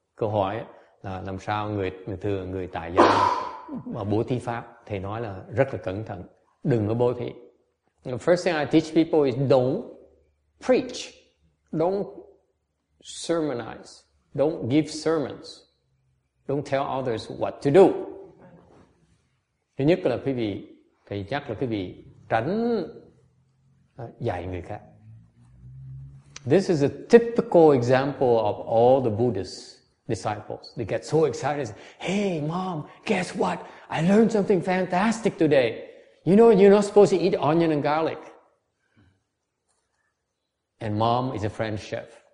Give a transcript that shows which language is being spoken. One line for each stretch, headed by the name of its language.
Vietnamese: Câu hỏi là làm sao người tại gia mà bố thí pháp? Thầy nói là rất là cẩn thận. Đừng có bố thí.
English: The first thing I teach people is don't preach, don't sermonize, don't give sermons, don't tell others what to do.
Vietnamese: Thứ nhất là quý vị, thầy chắc là quý vị tránh dạy người khác.
English: This is a typical example of all the Buddhist disciples. They get so excited, hey mom, guess what? I learned something fantastic today. You know, you're not supposed to eat onion and garlic. And mom is a French chef.